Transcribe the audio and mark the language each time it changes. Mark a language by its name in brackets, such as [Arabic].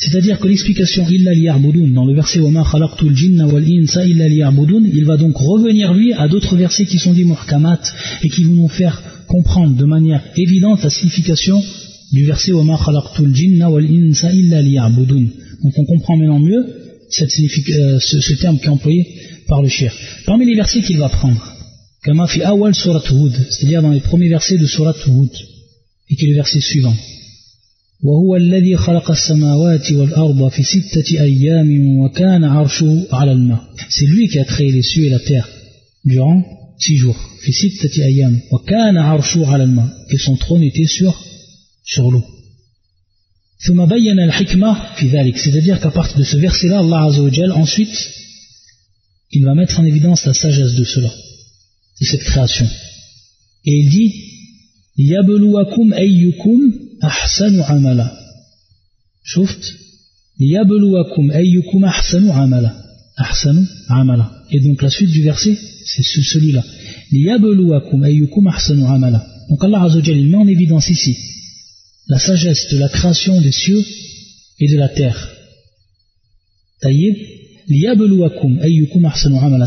[French] C'est-à-dire que l'explication illa liyabudun dans le verset [Arabic] wama khalaqtul jinna wal insa illa liyabudun, [French] il va donc revenir lui à d'autres versets qui sont dits muhkamat et qui vont nous faire comprendre de manière évidente la signification du verset wama khalaqtul jinna wal insa illa liyabudun. Donc on comprend maintenant mieux ce terme qui est employé par le shir. Parmi les versets qu'il va prendre, [Arabic] kama fi awal surat Hud, [French] c'est-à-dire dans les premiers versets de surat Hud, et qui est le verset suivant. [Arabic] وهو الذي خلق السماوات والأرض في ستة أيام وكان عرشه على الماء. [French] C'est lui qui a créé les cieux et la terre durant six jours. [Arabic] في ستة أيام وكان عرشه على الماء. [French] Et son trône était sur l'eau. [Arabic] ثم بين الحكمة في ذلك. [French] C'est-à-dire qu'à partir de ce verset-là, Allah Azza wa Jalla ensuite, il va mettre en évidence la sagesse de cela, de cette création. Et il dit [Arabic] يبلوكم أيكم أحسن عملا. شفت يبلوكم أيكم أحسن عملا. أحسن عملا. [French] Et donc la suite du verset, c'est celui-là. [Arabic] يبلوكم أيكم أحسن عملا. [French] Donc Allah Azza wa Jalla met en évidence ici la sagesse de la création des cieux et de la terre. [Arabic] Taïeb. يبلوكم أيكم أحسن عملا.